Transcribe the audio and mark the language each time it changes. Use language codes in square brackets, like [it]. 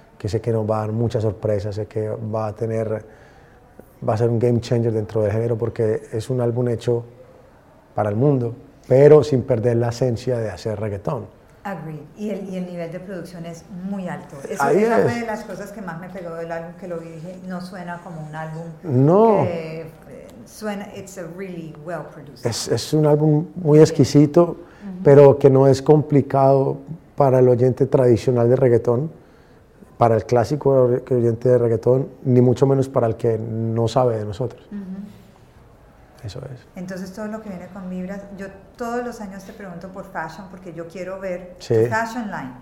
[es] Que sé que nos va a dar muchas sorpresas. Sé que va a tener. Va a ser un game changer dentro del género porque es un álbum hecho para el mundo, pero sin perder la esencia de hacer reggaetón. [en] Agreed. [es] Y el nivel de producción es muy alto. Esa fue de las cosas que más me pegó del álbum, que lo dije, no suena como un álbum. No. [en] It's a really well produced. [es] Es un álbum muy exquisito, uh-huh, pero que no es complicado para el oyente tradicional de reggaetón, para el clásico oyente de reggaetón, ni mucho menos para el que no sabe de nosotros. Uh-huh. Eso es. Entonces todo lo que viene con Vibras, yo todos los años te pregunto por fashion porque yo quiero ver, sí, tu fashion line.